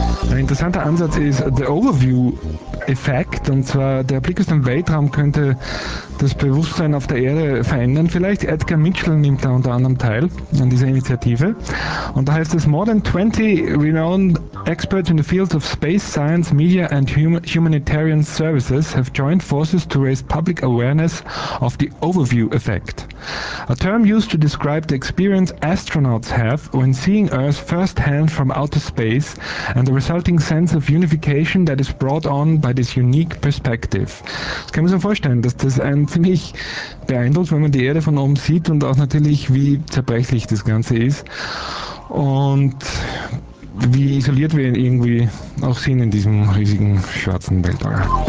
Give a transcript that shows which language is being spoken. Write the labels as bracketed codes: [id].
[de] Ein interessanter Ansatz ist The Overview Effekt, und zwar der Blick aus dem Weltraum könnte das Bewusstsein auf der Erde verändern vielleicht. Edgar Mitchell nimmt da unter anderem teil an dieser Initiative. Und da heißt es, [en] more than 20 renowned experts in the fields of space science, media and humanitarian services have joined forces to raise public awareness of the overview effect. A term used to describe the experience astronauts have when seeing Earth firsthand from outer space and the resulting sense of unification that is brought on by this unique perspective. [de] Das kann man sich vorstellen, dass das einen ziemlich beeindruckt, wenn man die Erde von oben sieht und auch natürlich, wie zerbrechlich das Ganze ist und wie isoliert wir ihn irgendwie auch sind in diesem riesigen schwarzen Weltall.